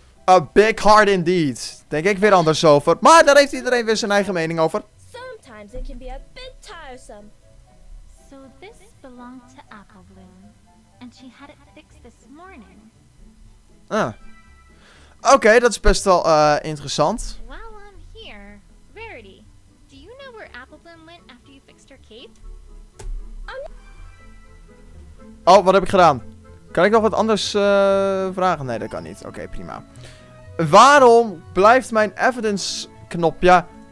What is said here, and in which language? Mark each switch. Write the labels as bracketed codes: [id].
[en] A big heart indeed. [nl] Denk ik weer anders over. Maar daar heeft iedereen weer zijn eigen mening over. [en] Sometimes it can be a bit tiresome. So this belonged to Applebloom. And she had it fixed this morning. [nl] Ah. Oké, dat is best wel interessant. [en] While I'm here, Rarity, do you know where Applebloom went after you fixed her cape? [nl] Oh, wat heb ik gedaan? Kan ik nog wat anders vragen? Nee, dat kan niet. Oké, prima. Waarom blijft mijn evidence knopje...